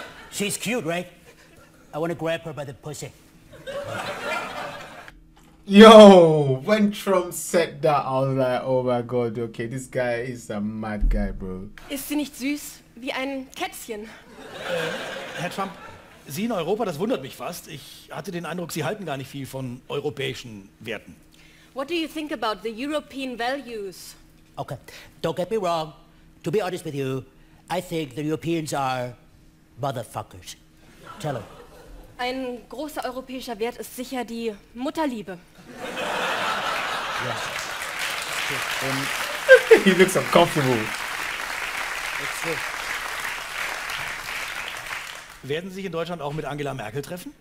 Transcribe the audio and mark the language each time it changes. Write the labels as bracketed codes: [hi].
[en] She's cute, right? I want to grab her by the pussy. Yo, when Trump said that, I was like, oh my god, okay, this guy is a mad guy, bro. [de] Ist sie nicht süß wie ein Kätzchen? Herr Trump, Sie in Europa, das wundert mich fast. Ich hatte den Eindruck, Sie halten gar nicht viel von europäischen Werten. [en] What do you think about the European values? Okay, don't get me wrong. To be honest with you, I think the Europeans are motherfuckers. Tell them. [de] Ein großer europäischer Wert ist sicher die Mutterliebe. [en] Yes. He looks uncomfortable. It's true. [de] Werden Sie sich in Deutschland auch mit Angela Merkel treffen?